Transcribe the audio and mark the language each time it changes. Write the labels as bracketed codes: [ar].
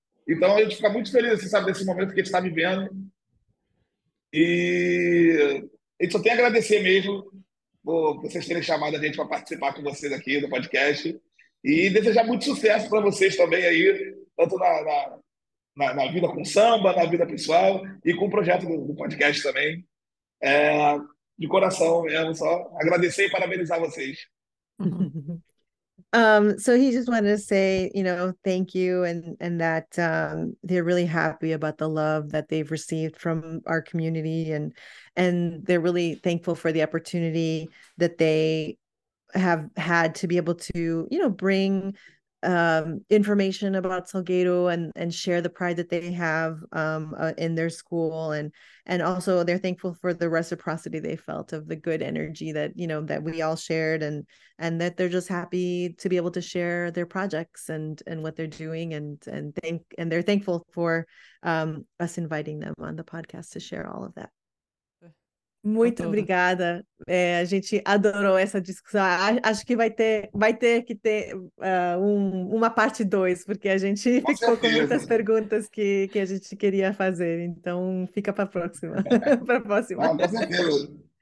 [pt] Então a gente fica muito feliz, assim, sabe, desse momento que a gente está vivendo. E a gente só tem a agradecer mesmo por vocês terem chamado a gente para participar com vocês aqui do podcast e desejar muito sucesso para vocês também aí, tanto na vida com samba, na vida pessoal e com o projeto do podcast também. De coração mesmo, só agradecer e parabenizar vocês. [en] So he just wanted to say, you know, thank you and that they're really happy about the love that they've received from our community and they're really thankful for the opportunity that they have had to be able to, you know, bring information about Salgueiro and share the pride that they have in their school and also they're thankful for the reciprocity they felt of the good energy that, you know, that we all shared and that they're just happy to be able to share their projects and what they're doing and they're thankful for us inviting them on the podcast to share all of that. [pt] Muito obrigada. A gente adorou essa discussão. Acho que vai ter que ter uma parte 2, porque a gente ficou com muitas perguntas que a gente queria fazer. Então, fica para a próxima. Para a próxima. Não, com certeza.